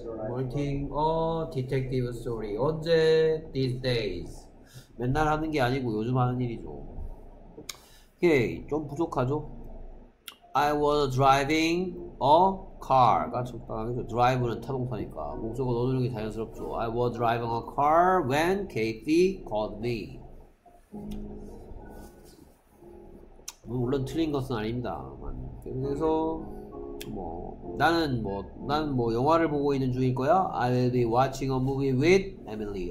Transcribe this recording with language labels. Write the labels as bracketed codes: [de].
[en] Writing a detective story. [ko] 언제? [en] These days. [ko] 맨날 하는 게 아니고 요즘 하는 일이죠. 오케이, 좀 부족하죠? [en] I was driving a car. [ko] 가축당하겠죠. Drive는 타동사니까. 목적어 넣어주는 게 자연스럽죠. [en] I was driving a car when Kathy called me. [ko] 물론 틀린 것은 아닙니다. 그래서 뭐 나는 뭐 영화를 보고 있는 중일 거야. [en] I will be watching a movie with Emily.